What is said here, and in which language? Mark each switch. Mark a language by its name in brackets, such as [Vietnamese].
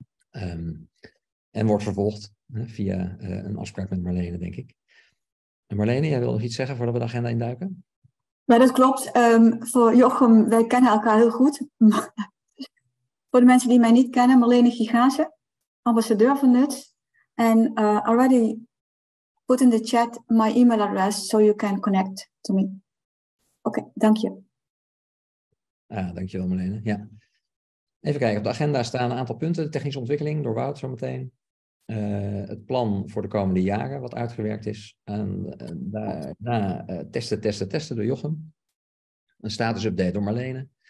[Dutch] En wordt vervolgd via een afspraak met Marlene, denk ik. En Marlene, jij wil nog iets zeggen voordat we de agenda induiken? Ja, dat klopt. Voor Jochem, wij kennen elkaar heel goed. Voor de mensen die mij niet kennen, Marlene Gigaze, ambassadeur van Nuts. [English] En already put in the chat my email address so you can connect to me. [Dutch] Oké, dank je. Dank je wel, Marlene. Ja. Even kijken, op de agenda staan een aantal punten. De technische ontwikkeling door Wout zometeen. Het plan voor de komende jaren wat uitgewerkt is. En daarna testen door Jochem. Een statusupdate door Marlene.